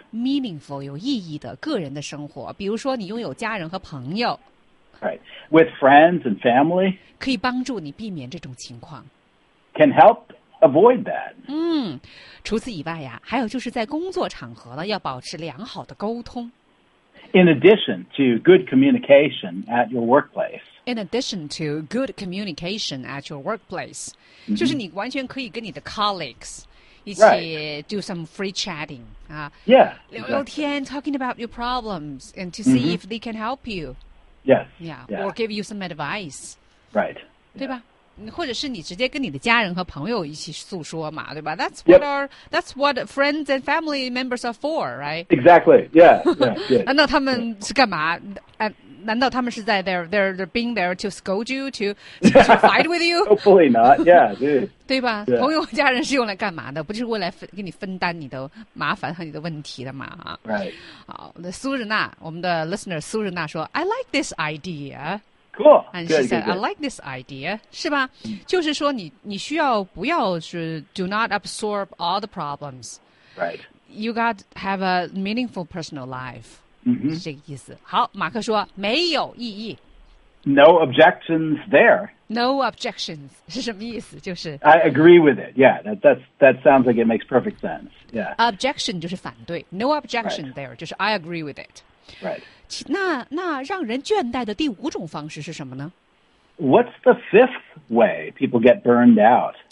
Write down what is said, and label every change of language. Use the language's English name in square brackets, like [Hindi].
[Chinese] Meaningful, 有意义的个人的生活。比如说你拥有家人和朋友。 [English] Right. With friends and family. [Chinese] 可以帮助你避免这种情况。 [English] Can help avoid that. [Chinese] 除此以外呀，还有就是在工作场合呢，要保持良好的沟通。 [English] In addition to good communication at your workplace. In addition to good communication at your workplace. [Chinese] 就是你完全可以跟你的 colleagues 一起 [English] do some free chatting. [Chinese] 啊、 [English] yeah. [Chinese] 聊聊天 [English] talking about your problems and to see if they can help you. Yes. Yeah, yeah. Or give you some advice. Right. [Chinese] 对吧？或者是你直接跟你的家人和朋友一起诉说嘛，对吧 ？ [English] That's what are that's what friends and family members are for, right? Exactly. Yeah. Yeah. Yeah. [Chinese] 难道他们是干嘛？难道他们是在 [English] they're being there to scold you to fight with you? Hopefully not. Yeah. Dude. 对吧？Yeah. [Chinese] 朋友和家人是用来干嘛的？不就是为来给你分担你的麻烦和你的问题的嘛？ [English] Right. [Chinese] 好，那苏日娜，我们的 listener 苏日娜说 ， [English] I like this idea. Cool. And she good, said, good, good. I like this idea. [Chinese] 是吧？就是说你需要不要是 [English] do not absorb all the problems. Right. You got to have a meaningful personal life. [Chinese] 嗯、是这个意思。好，马克说没有意义。 [English] No objections there. No objections. [Chinese] 是什么意思？就是 [English] I agree with it. Yeah, that sounds like it makes perfect sense. Yeah. [Chinese] Objection 就是反对。No objection、 [English] there. 就是 I agree with it. Right. [Chinese] 那让人倦怠的第五种方式是什么呢 [English] ？What's the fifth way people get burned out?